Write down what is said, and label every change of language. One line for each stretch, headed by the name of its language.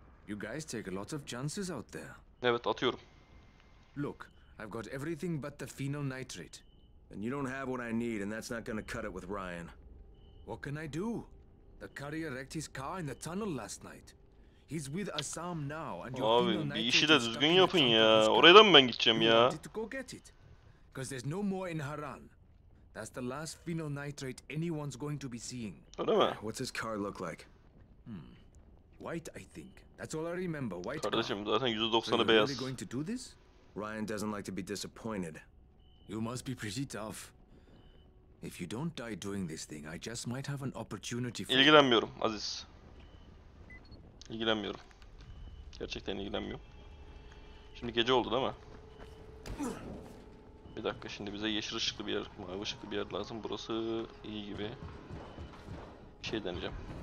English: You guys take a lot of chances out there.
Turkish: Evet, atıyorum.
English: Look, I've got everything but the phenyl nitrate. And you don't have what I need, and that's not gonna cut it with Ryan. What can I do? The courier wrecked his car in the tunnel last night. He's with Assam now and you're
Turkish: abi bir işi de düzgün yapın ya. Oraya da mı ben gideceğim ya?
English: Because there's no more in Haran. That's the last phenyl nitrate anyone's going to be seeing.
Turkish: Öyle mi?
English: What's his car look like? White, I think. That's all I remember. White.
Turkish: Kardeşim zaten %90'ı beyaz.
English: Are you going to do this? Ryan doesn't like to be disappointed. You must be pretty tough. If you don't die doing this thing, I just might have an opportunity for.
Turkish: İlgilenmiyorum, Aziz. İlgilenmiyorum. Gerçekten ilgilenmiyorum. Şimdi gece oldu değil mi? Bir dakika, şimdi bize yeşil ışıklı bir yer, mavi ışıklı bir yer lazım. Burası iyi gibi. Bir şey deneyeceğim.